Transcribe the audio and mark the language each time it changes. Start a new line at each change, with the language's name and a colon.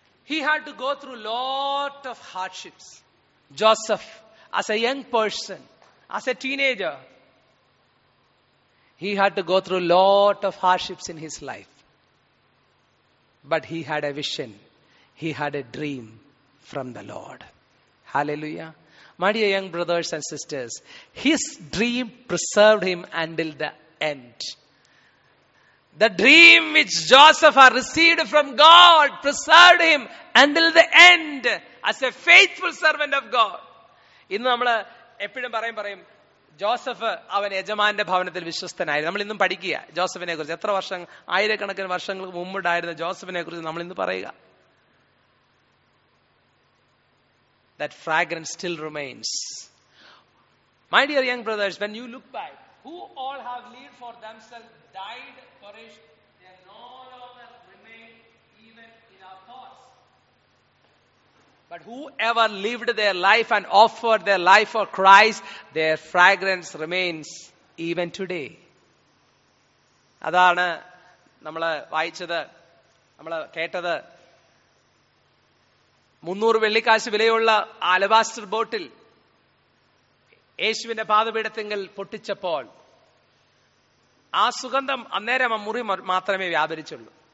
English: He had to go through lot of hardships. Joseph as a young person, as a teenager, he had to go through lot of hardships in his life. But he had a vision, he had a dream from the Lord. Hallelujah. My dear young brothers and sisters, his dream preserved him until the end. The dream which Joseph had received from God preserved him until the end as a faithful servant of God.
Malayalam: ഇന്ന് നമ്മൾ എപ്പോഴും പറയും പറയും Joseph അവൻ യജമാന്റെ ഭവനത്തിൽ വിശ്വസ്തനായിരുന്നു. നമ്മൾ ഇന്നും പഠിക്കുക ജോസഫിനെ കുറിച്ച്. എത്ര വർഷം, ആയിരക്കണക്കിന് വർഷങ്ങൾക്ക് മുമ്പുണ്ടായിരുന്ന ജോസഫിനെ കുറിച്ച് നമ്മൾ ഇന്ന് പറയുക.
English: That fragrance still remains. My dear young brothers, when you look back, who all have lived for themselves, died, perished, they are no longer remain even in our thoughts. But whoever lived their life and offered their life for Christ, their fragrance remains even today.
Malayalam: അതാണ് നമ്മൾ വായിച്ചത്, നമ്മൾ കേട്ടത്. 300 വെള്ളിക്കാശ് വിലയുള്ള alabaster ബോട്ടിൽ യേശുവിന്റെ പാദപീഠത്തിങ്കിൽ പൊട്ടിച്ചപ്പോൾ ആ സുഗന്ധം അന്നേരം ആ മുറി മാത്രമേ വ്യാപരിച്ചുള്ളൂ.